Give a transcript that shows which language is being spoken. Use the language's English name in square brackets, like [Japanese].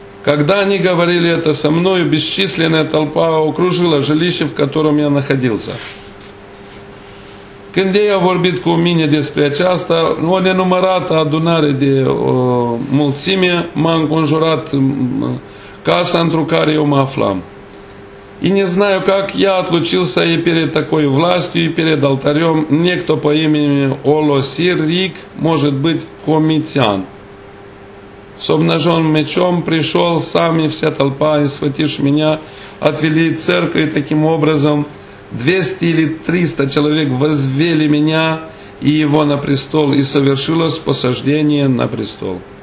[Russian] Когда они говорили это со мною, бесчисленная толпа окружила жилище, в котором я находился. [Romanian] Când ei au vorbit cu mine despre aceasta, o nenumărată adunare de mulțime m-a înconjurat casa într-o care eu mă aflam. [Russian] И не знаю, как я отлучился и перед такой властью, и перед алтарем, некто по имени Олосирик, может быть, комитян. С обнаженным мечом пришел сам и вся толпа, и схватишь меня, отвели церковь, и таким образом 200 или 300 человек возвели меня и его на престол, и совершилось посаждение на престол.